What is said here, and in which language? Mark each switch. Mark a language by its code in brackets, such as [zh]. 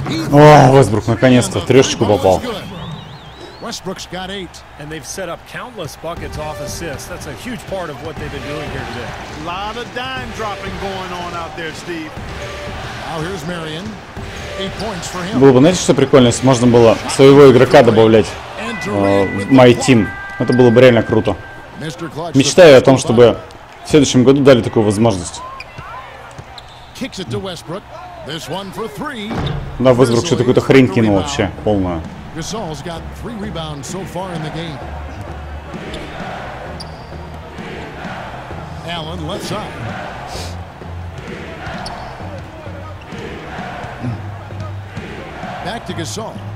[ru] Уэсбрук наконец-то трешечку попал. [en] Westbrook's got eight. And they've set up countless buckets off assists. That's a huge part of what they've been doing here today. A lot of dime dropping going on out there, Steve. Now here's Marion. 8 points for him. [ru] Было бы, знаете, что прикольно, если можно было своего игрока добавлять в My Team. Это было бы реально круто. Мечтаю о том, чтобы в следующем году дали такую возможность. [en] Kicks it to Westbrook. This one for three. [ru] Да, Westbrook что-то какую-то хрень кинул вообще, полную. [en] Gasol's got three rebounds so far in the game. Allen left side. Back to Gasol.